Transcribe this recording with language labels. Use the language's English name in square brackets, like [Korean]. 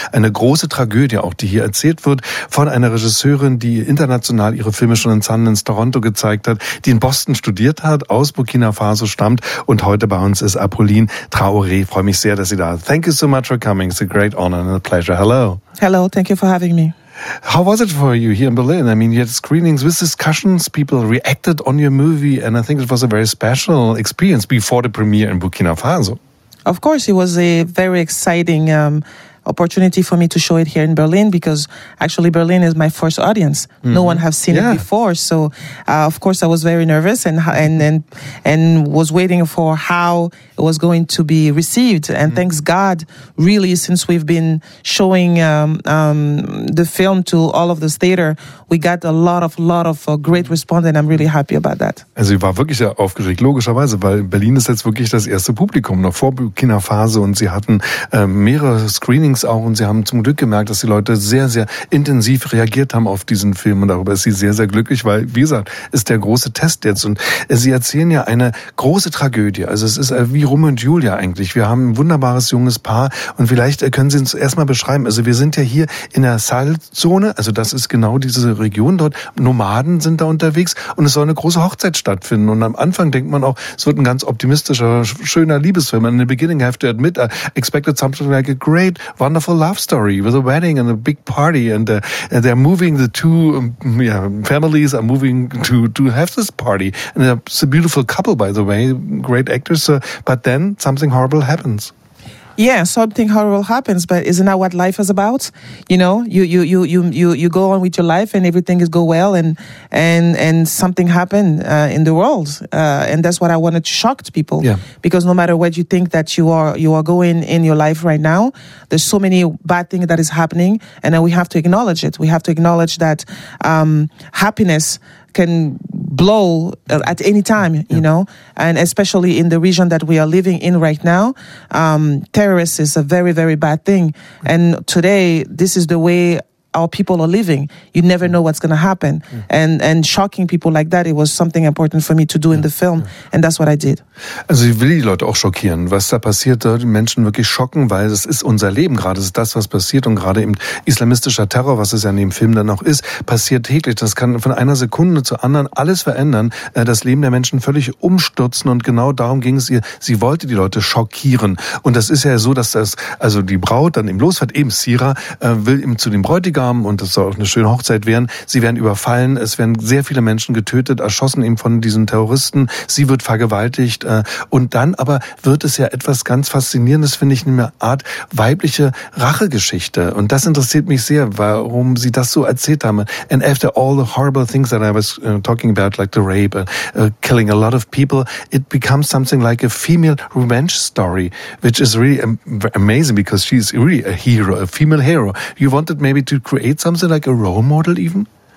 [German] Eine große Tragödie auch, die hier erzählt wird von einer Regisseurin, die international ihre Filme schon in Sundance, Toronto gezeigt hat, die in Boston studiert hat, aus Burkina Faso stammt und heute bei uns ist Apolline Traoré. Ich freue mich sehr, dass Sie da sind. [English] Thank you so much for coming. It's a great honor. Pleasure. Hello. Hello. Thank you for having me. How was it for you here in Berlin? I mean, you had screenings with discussions. People reacted on your movie. And I think it was a very special experience before the premiere in Burkina Faso. Of course, it was a very exciting opportunity for me to show it here in Berlin, because actually Berlin is my first audience. Mm-hmm. No one has seen it before. So, of course, I was very nervous and was waiting for how it was going to be received. And thanks God, really, since we've been showing the film to all of the theater, we got a lot of great response, and I'm really happy about that. [German] Also ich war wirklich sehr aufgeregt, logischerweise, weil Berlin ist jetzt wirklich das erste Publikum, noch vor Burkina Faso, und sie hatten mehrere Screenings auch, und sie haben zum Glück gemerkt, dass die Leute sehr, sehr intensiv reagiert haben auf diesen Film, und darüber ist sie sehr, sehr glücklich, weil, wie gesagt, ist der große Test jetzt. Und sie erzählen ja eine große Tragödie. Also es ist wie Romeo und Julia eigentlich. Wir haben ein wunderbares junges Paar, und vielleicht können Sie uns erstmal beschreiben. Also wir sind ja hier in der Sahelzone, also das ist genau diese Region dort. Nomaden sind da unterwegs und es soll eine große Hochzeit stattfinden. Und am Anfang denkt man auch, es wird ein ganz optimistischer, schöner Liebesfilm. [English] In the beginning I have to admit, I expected something like a great wonderful love story with a wedding and a big party, and they're moving, the two families are moving to have this party, and it's a beautiful couple, by the way, great actors, but then something horrible happens. Yeah, something horrible happens, but isn't that what life is about? You know, you go on with your life and everything is go well, and something happened in the world, and that's what I wanted to shock to people. Yeah. Because no matter what you think that you are going in your life right now, there's so many bad things that is happening, and then we have to acknowledge it. We have to acknowledge that happiness can blow at any time, you know, and especially in the region that we are living in right now, terrorists is a very, very bad thing. And today, this is the way our people are living. You never know what's going to happen. Mm. And shocking people like that, it was something important for me to do in the film. Mm. And that's what I did. [German] Also ich will die Leute auch schockieren, was da passiert, die Menschen wirklich schocken, weil es ist unser Leben gerade, es ist das, was passiert. Und gerade eben islamistischer Terror, was es ja in dem Film dann auch ist, passiert täglich. Das kann von einer Sekunde zur anderen alles verändern, das Leben der Menschen völlig umstürzen. Und genau darum ging es ihr. Sie wollte die Leute schockieren. Und das ist ja so, dass das, also die Braut dann eben losfährt, eben Sira, will eben zu dem Bräutigam, und das soll auch eine schöne Hochzeit werden. Sie werden überfallen, es werden sehr viele Menschen getötet, erschossen eben von diesen Terroristen. Sie wird vergewaltigt. Und dann aber wird es ja etwas ganz Faszinierendes, finde ich, eine Art weibliche Rachegeschichte. Und das interessiert mich sehr, warum Sie das so erzählt haben. [English] And after all the horrible things that I was talking about, like the rape, killing a lot of people, it becomes something like a female revenge story, which is really amazing, because she's really a hero, a female hero. You wanted maybe to create something like a role model even?